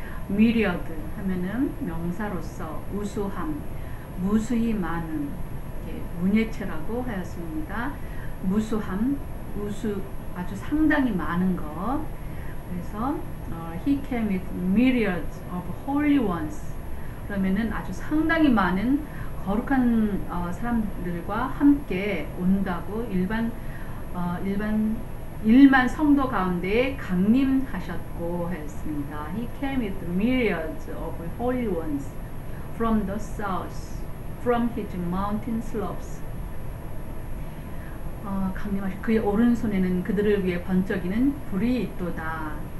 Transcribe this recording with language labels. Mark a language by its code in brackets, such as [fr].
[ko] myriad 하면은 명사로서 우수함, 무수히 많은, 이렇게 문예체라고 하였습니다. 무수함, 우수, 아주 상당히 많은 것. [en] 그래서 he came with myriads of holy ones. [ko] 그러면은 아주 상당히 많은 거룩한 사람들과 함께 온다고 일만 성도 가운데에 강림하셨고 했습니다. [en] He came with myriads of holy ones from the south, from his mountain slopes. [ko] 강림하시 그의 오른손에는 그들을 위해 번쩍이는 불이 있도다.